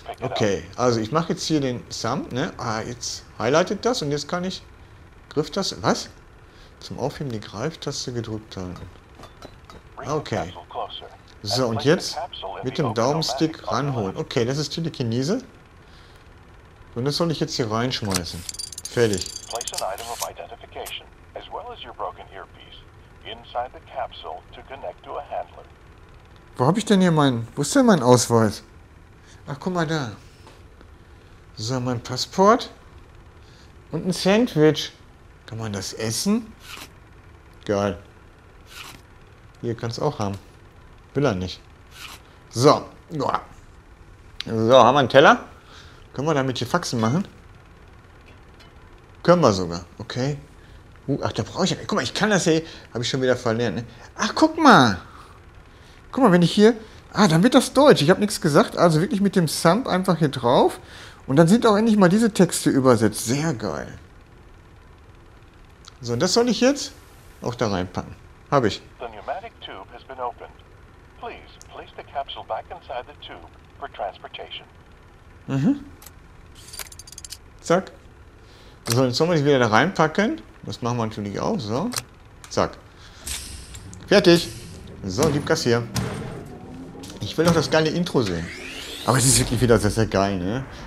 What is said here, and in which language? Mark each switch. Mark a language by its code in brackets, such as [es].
[de] Okay, also ich mache jetzt hier den Thumb, ne? Ah, jetzt highlightet das und jetzt kann ich Grifftaste. Was? Zum Aufheben die Greiftaste gedrückt halten. Okay. So, und jetzt mit dem Daumenstick ranholen. Okay, das ist Telekinese. Und das soll ich jetzt hier reinschmeißen. Fertig. [en] Place an item of identification, as well as your broken earpiece, inside the capsule to connect to a handler. [de] Wo hab ich denn hier meinen? Wo ist denn mein Ausweis? Ach, guck mal da. So, mein Passport. Und ein Sandwich. Kann man das essen? Geil. Hier kannst du auch haben. Will er nicht. So. So, haben wir einen Teller? Können wir damit hier Faxen machen? Können wir sogar. Okay. Ach, da brauche ich ja. Guck mal, ich kann das hier. Habe ich schon wieder verlernt. Ne? Ach, guck mal. Guck mal, wenn ich hier... Ah, dann wird das Deutsch. Ich habe nichts gesagt. Also wirklich mit dem Thumb einfach hier drauf. Und dann sind auch endlich mal diese Texte übersetzt. Sehr geil. So, und das soll ich jetzt auch da reinpacken. Habe ich. [en] The pneumatic tube has been opened. Please place the capsule back inside the tube for transportation. Mhm. Zack. [de] So, jetzt sollen wir die wieder da reinpacken. Das machen wir natürlich auch. So. Zack. Fertig. So, gib Gas hier. Ich will noch das geile Intro sehen. Aber es ist wirklich wieder sehr, sehr geil, ne?